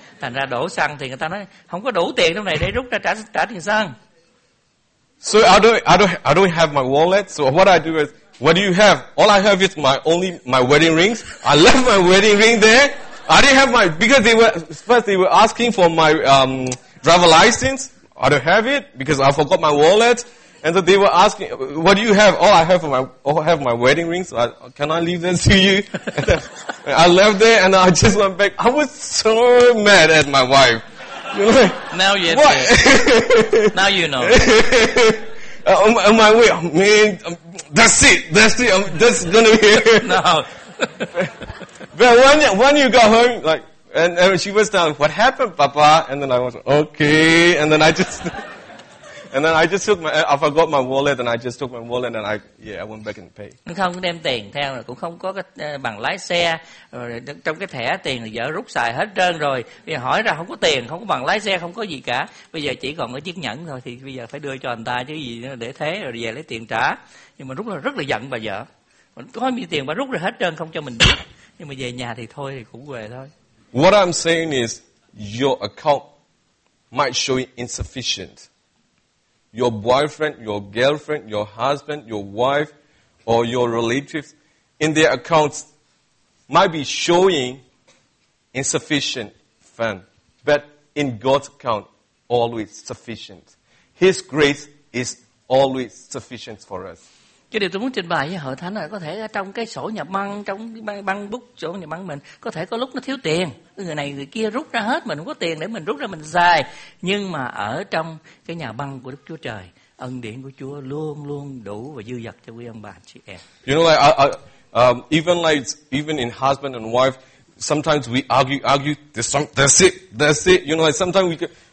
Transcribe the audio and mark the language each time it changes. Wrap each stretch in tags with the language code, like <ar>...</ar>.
<vi>Thành ra đổ xăng thì người ta nói không có đủ tiền trong này để rút ra trả tiền xăng.</vi> <en>So I don't have my wallet. So what I do is, what do you have? All I have is my wedding rings. I left my wedding ring there. I didn't have my, because they were asking for my driver license. I don't have it because I forgot my wallet. And so they were asking, what do you have? All I have my wedding rings. So can I leave this to you? I left there and I just went back. I was so mad at my wife. Now you know. Now you know. On my way, man. That's it. I'm just gonna be here. No. But when you got home, like, and she was down. What happened, Papa? And then I was okay. And then I just took my. I forgot my wallet, and I just took my wallet, and I went back and paid.</en> <vi>Không đem tiền theo, cũng không có cái bằng lái xe, rồi trong cái thẻ tiền là vợ rút xài hết trơn rồi. Bây giờ hỏi ra không có tiền, không có bằng lái xe, không có gì cả. Bây giờ chỉ còn cái chiếc nhẫn thôi, thì bây giờ phải đưa cho anh ta chứ gì nữa, để thế rồi về lấy tiền trả. Nhưng mà rút là rất là giận bà vợ. Có nhiêu tiền bà rút rồi hết trơn không cho mình biết. Nhưng mà về nhà thì thôi, thì cũng về thôi.</vi> <en>What I'm saying is, your account might show insufficient. Your boyfriend, your girlfriend, your husband, your wife, or your relatives, in their accounts, might be showing insufficient fund, but in God's account, always sufficient. His grace is always sufficient for us.</en> <vi>Cái điều tôi muốn trình bày với hội thánh là có thể trong cái sổ nhập băng, trong băng bút sổ nhập băng mình, có thể có lúc nó thiếu tiền. Người này người kia rút ra hết, mình không có tiền để mình rút ra mình xài. Nhưng mà ở trong cái nhà băng của Đức Chúa Trời, ân điển của Chúa luôn luôn đủ và dư dật cho quý ông bà, chị em.</vi> <en>You know, like, even in husband and wife, sometimes we argue, there's it, you know, like sometimes we</en>